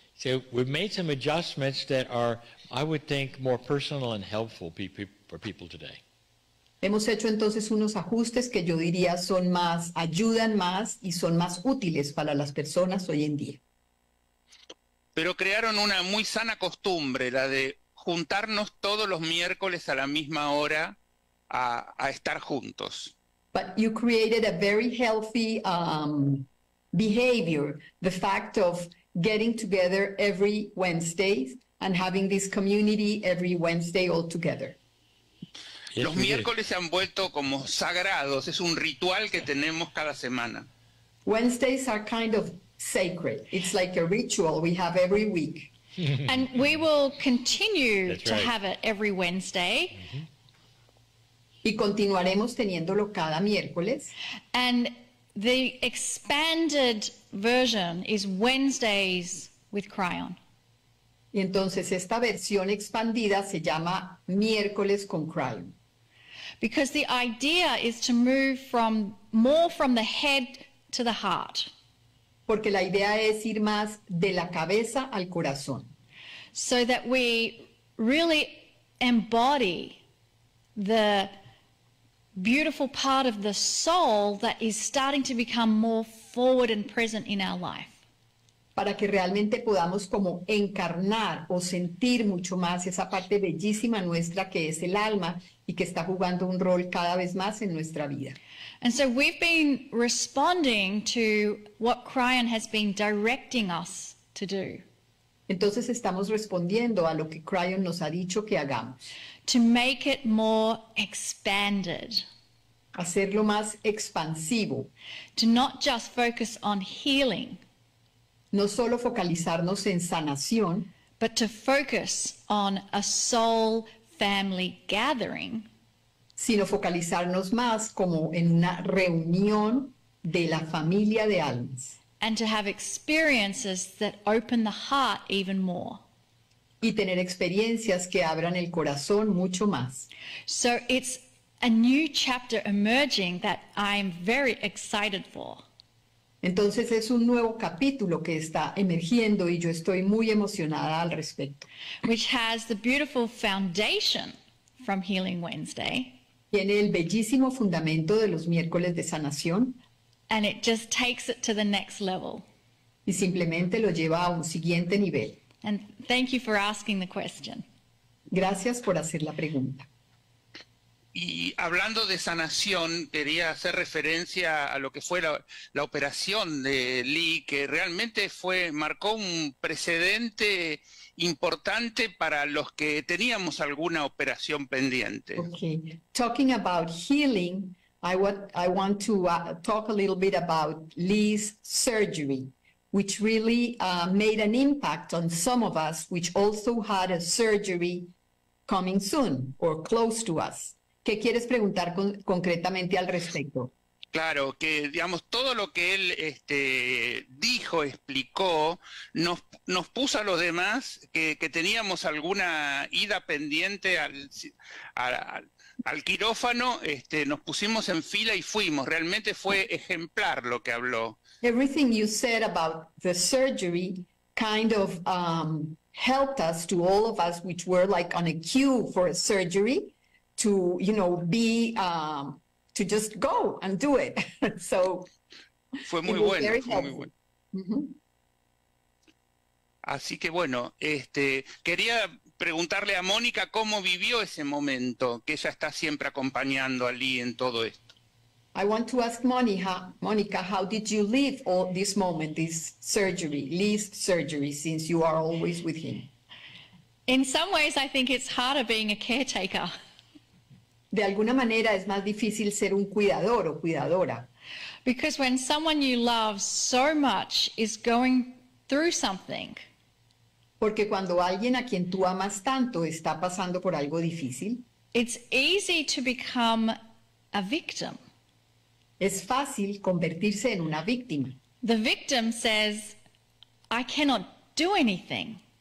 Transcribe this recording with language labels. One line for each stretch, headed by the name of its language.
English: So we've made some adjustments that are, I would think, more personal and helpful for people today.
Spanish: Hemos hecho entonces unos ajustes que yo diría son más, ayudan más y son más útiles para las personas hoy en día. Pero crearon una muy sana costumbre, la de juntarnos todos los miércoles a la misma hora a estar juntos.
English: But you created a very healthy behavior, the fact of getting together every Wednesday and having this community every Wednesday all together. Yes,
Spanish: los miércoles se han vuelto como sagrados, es un ritual que tenemos cada semana.
English: Wednesdays are kind of sacred. It's like a ritual we have every week. And we will continue to have it every Wednesday. Mm-hmm.
Spanish: Y continuaremos teniéndolo cada miércoles.
English: And the expanded version is Wednesdays with Cryon.
Spanish: Y entonces esta versión expandida se llama Miércoles con Cryon.
English: Because the idea is to move from more from the head to the heart.
Spanish: Porque la idea es ir más de la cabeza al corazón.
English: So that we really embody the beautiful part of the soul that is starting to become more forward and present in our life.
Spanish: Para que realmente podamos como encarnar o sentir mucho más esa parte bellísima nuestra que es el alma y que está jugando un rol cada vez más en nuestra vida.
English: And so we've been responding to what Cryon has been directing us to do.
Spanish: Entonces estamos respondiendo a lo que Cryon nos ha dicho que hagamos.
English: To make it more expanded.
Spanish: Hacerlo más expansivo.
English: To not just focus on healing.
Spanish: No solo focalizarnos en sanación.
English: But to focus on a soul family gathering.
Spanish: Sino focalizarnos más como en una reunión de la familia de almas.
English: And to have experiences that open the heart even more.
Spanish: Y tener experiencias que abran el corazón mucho más.
English: So it's a new chapter emerging that I'm very excited for.
Spanish: Entonces es un nuevo capítulo que está emergiendo y yo estoy muy emocionada al respecto.
English: Which has the beautiful foundation from Healing Wednesday.
Spanish: Tiene el bellísimo fundamento de los miércoles de sanación.
English: And it just takes it to the next level.
Spanish: Y simplemente lo lleva a un siguiente nivel.
English: And thank you for asking the question.
Spanish: Gracias por hacer la pregunta. Y hablando de sanación, quería hacer referencia a lo que fue la operación de Lee, que realmente marcó un precedente importante para los que teníamos alguna operación pendiente.
English: Okay. Talking about healing, I want to talk a little bit about Lee's surgery, which really made an impact on some of us, which also had a surgery coming soon or close to us.
Spanish: ¿Qué quieres preguntar concretamente al respecto? Claro, que digamos todo lo que él dijo, explicó, nos puso a los demás que teníamos alguna ida pendiente al quirófano, nos pusimos en fila y fuimos. Realmente fue ejemplar lo que habló.
English: Everything you said about the surgery kind of helped us, to all of us which were like on a queue for a surgery, to, you know, be to just go and do it. So
Spanish: fue muy bueno, Mm-hmm. Así que bueno, quería preguntarle a Mónica cómo vivió ese momento, que ella está siempre acompañando a Lee en todo esto.
English: I want to ask Mónica, how did you live all this moment, this surgery, Lee's surgery, since you are always with him? In some ways I think it's harder being a caretaker.
Spanish: De alguna manera es más difícil ser un cuidador o cuidadora.
English: Because when someone you love so much is going through something.
Spanish: Porque cuando alguien a quien tú amas tanto está pasando por algo difícil.
English: It's easy to become a victim.
Spanish: Es fácil convertirse en una víctima.
English: The victim says, I cannot do anything.